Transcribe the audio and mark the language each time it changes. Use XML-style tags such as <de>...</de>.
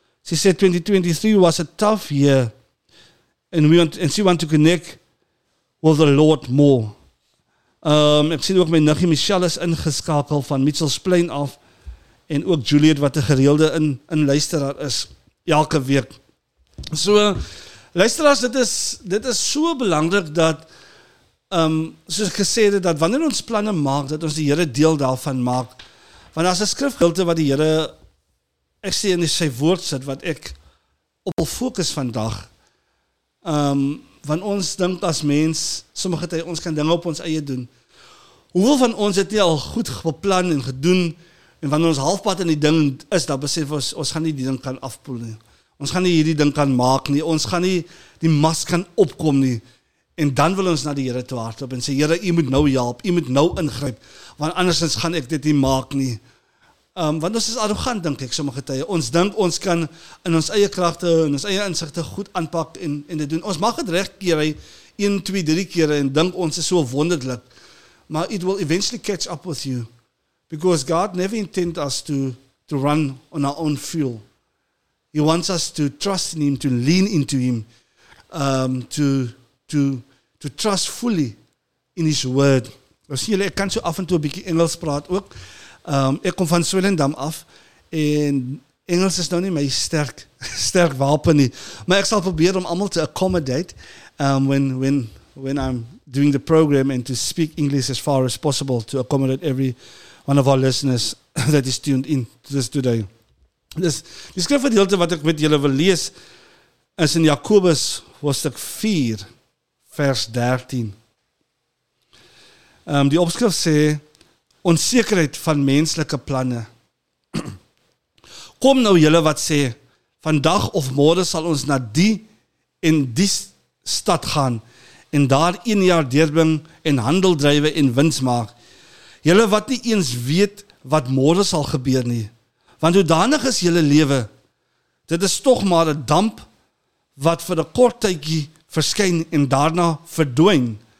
<en>She said 2023 was a tough year and she want to connect with the Lord more.</en> <af>Ek sien ook my niggie Michelle is ingeskakel van Mitchell's Plain af en ook Juliet wat 'n gereelde in luisteraar is elke week. So luisteraars, dit is so belangrik dat soos ek gesê het, dat wanneer ons planne maak, dat ons die Here deel daarvan maak. Want as 'n skrifgedeelte wat die Here ek sê in sy woord sit wat ek op fokus vandag. Want ons dink as mens, sommige tyd ons kan dinge op ons eie doen. Hoeveel van ons het nie al goed beplan en gedoen en wanneer ons halfpad in die ding is, dan besef ons gaan nie die ding kan afpoel nie. Ons gaan nie hierdie ding kan maak nie. Ons gaan nie die mas kan opkom nie. En dan wil ons na die Here toe hardloop en sê, Here, U moet nou help, U moet nou ingryp, want andersins gaan ek dit nie maak nie. Want ons is arrogant, dink ek, sommige tye. Ons dink ons kan in ons eie kragte en ons eie insigte goed aanpak en dit doen. Ons mag het regkeer, 1, 2, 3 kere en dink ons is so wonderlik.</af> <en>Maar it will eventually catch up with you. Because God never intend us to run on our own fuel. He wants us to trust in Him, to lean into Him, to trust fully in His word.</en> <af>Nou sien julle, ek kan so af en toe 'n bietjie Engels praat ook. Ek kom van Swellendam af en Engels is nou nie my sterk wapen nie. Maar ek sal probeer om almal te</af> <en>accommodate when I'm doing the program and to speak English as far as possible to accommodate every one of our listeners that is tuned in to this today.</en> <af>Dus die skrifgedeelte wat ek met julle wil lees is in Jakobus hoofstuk 4 vers 13. Die opskrif sê onsekerheid van menslike planne. Kom nou julle wat sê, vandag of môre sal ons na die en die stad gaan en daar 1 jaar deurbring en handel drywe en wins maak. Julle wat nie eens weet wat môre sal gebeur nie, want hoedanig is julle lewe? Dit is tog maar 'n damp wat vir 'n kort tydjie verskyn en daarna verdwyn.</af>